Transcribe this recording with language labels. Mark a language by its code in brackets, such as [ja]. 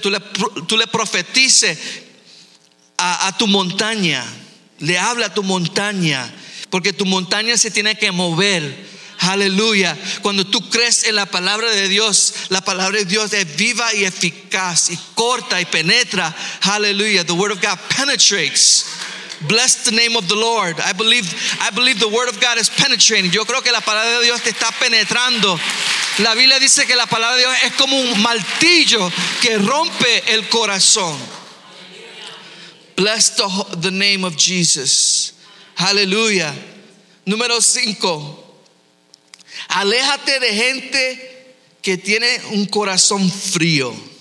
[es] Tú le profetices a tu montaña. Le habla a tu montaña. Porque tu montaña se tiene que mover. Aleluya. Cuando tú crees en la palabra de Dios, la palabra de Dios es viva y eficaz, y corta y penetra. [en] Aleluya. The word of God penetrates. Bless the name of the Lord. I believe the word of God is penetrating. [es] Yo creo que la palabra de Dios te está penetrando. La Biblia dice que la palabra de Dios es como un martillo que rompe el corazón. [en] Bless the name of Jesus. Aleluya. [es] Número 5. Aléjate de gente que tiene un corazón frío.